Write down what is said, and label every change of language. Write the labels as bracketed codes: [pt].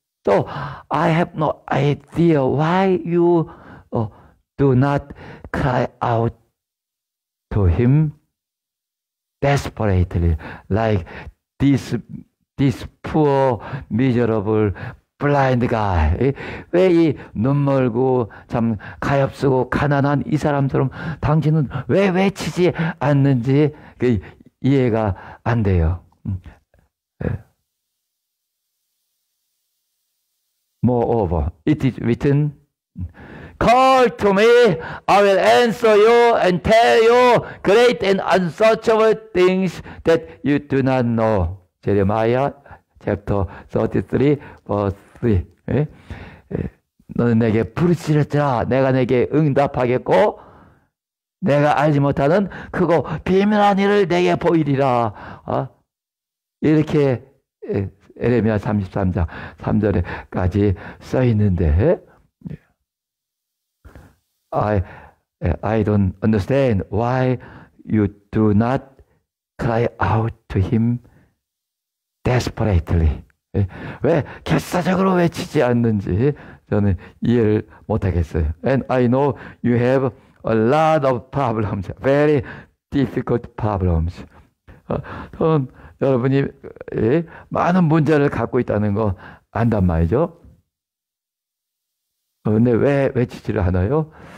[en] So, I have no idea why you do not cry out to him desperately, like this poor, miserable, blind guy. [ko] 왜 이 눈멀고 참 가엾고 가난한 이 사람처럼 당신은 왜 외치지 않는지 이해가 안 돼요. 네. [en] Moreover, it is written, Call to me, I will answer you and tell you great and unsearchable things that you do not know. Jeremiah chapter 33, verse 3. [ko] 네. 너는 내게 부르짖으라. 내가 내게 응답하겠고, 내가 알지 못하는 크고 비밀한 일을 내게 보이리라. 이렇게 예레미야 33장 3절에까지 써 있는데 [en] I don't understand why you do not cry out to him desperately. [ko] 왜 결사적으로 외치지 않는지 저는 이해를 못 하겠어요. [en] And I know you have a lot of problems, very difficult problems. [ko] 저는 여러분이 많은 문제를 갖고 있다는 거 안단 말이죠. 그런데 왜 외치지를 않아요?